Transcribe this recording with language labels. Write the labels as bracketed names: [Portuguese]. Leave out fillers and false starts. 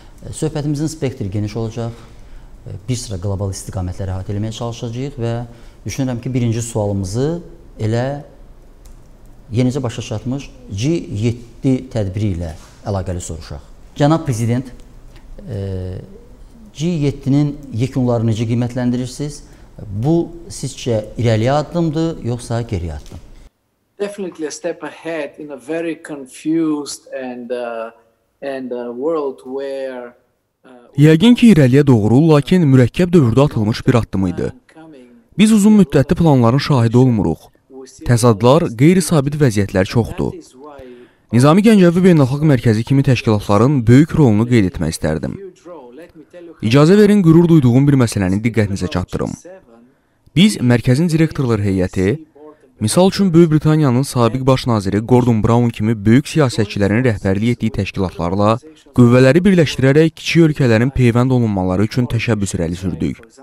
[Azerbaijani] Söhbətimizin spektri geniş olacaq. Bir sıra qlobal istiqamətləri əhatə etməyə çalışacağıq və düşünürəm ki, birinci sualımızı elə yenicə başa çatmış G7 tədbiri ilə əlaqəli soruşaq. Cənab Prezident, G7-nin yekunlarını necə qiymətləndirirsiniz? Bu sizcə irəliyə addımdır, yoxsa geriyə addım? [English] Definitely a step ahead in a very confused and a world where [Azerbaijani] Yəqin ki, irəliyə doğru, lakin mürəkkəb dövrdə atılmış bir addım idi. Biz uzun müddətli planların şahidi olmuruq. Təsadlar, qeyri-sabit vəziyyətlər çoxdur. Nizami Gəncəvi Beynəlxalq Mərkəzi kimi təşkilatların böyük rolunu qeyd etmək istərdim. İcazə verin, qürur duyduğum bir məsələni diqqətinizə çatdırım. Biz Mərkəzin direktorları heyəti, misal üçün Böyük Britaniyanın sabiq baş naziri Gordon Brown kimi böyük siyasətçilərin rəhbərliyi etdiyi təşkilatlarla qüvvələri birləşdirərək kiçik ölkələrin peyvənd olunmaları üçün təşəbbüs irəli sürdük.